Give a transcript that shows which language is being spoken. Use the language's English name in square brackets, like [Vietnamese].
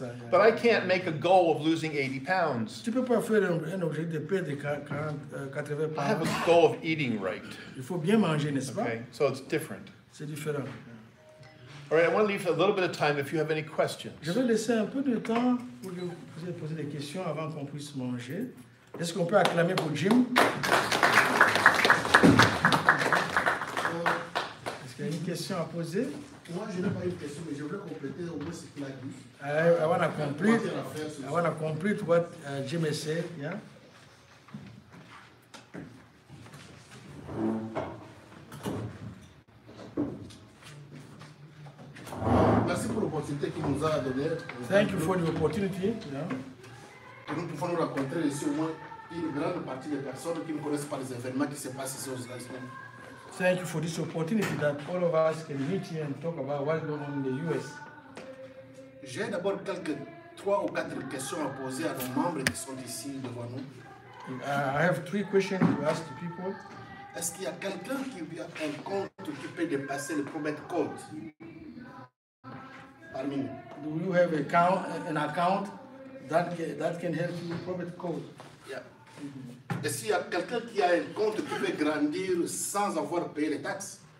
[English] But I can't make a goal of losing 80 pounds. [French] Tu peux pas faire un objectif de perdre 80 pounds. [English] I have a goal of eating right. [French] Il faut bien manger, n'est-ce pas? [English] Okay, so it's different. [French] C'est différent. [English] All right, I want to leave a little bit of time if you have any questions. [French] Je vais laisser un peu de temps pour vous poser des questions avant qu'on puisse manger. Est-ce qu'on peut acclamer pour Jim? Est-ce qu'il y a une question à poser? Moi, je n'ai pas une question, mais je voudrais compléter au moins ce qu'il a dit. [English] I want to complete what Jim has said. Yeah? [French] Merci pour l'opportunité qu'il nous a donné. [English] Thank you for the opportunity. [French] Et nous pouvons nous rencontrer ici au moins une grande partie des personnes qui ne connaissent pas les événements qui se passent ici aux États-Unis. [English] Thank you for this opportunity that all of us can meet here and talk about what's going on in the US. [French] J'ai d'abord quelques trois ou quatre questions à poser à nos membres qui sont ici devant nous. [English] I have three questions to ask the people. [French] Est-ce qu'il y a quelqu'un qui a un compte qui peut dépasser le promet code? [English] Do you have an account that can help you promet code? [French] Et s'il y a quelqu'un qui a un compte qui peut grandir sans avoir payé les taxes?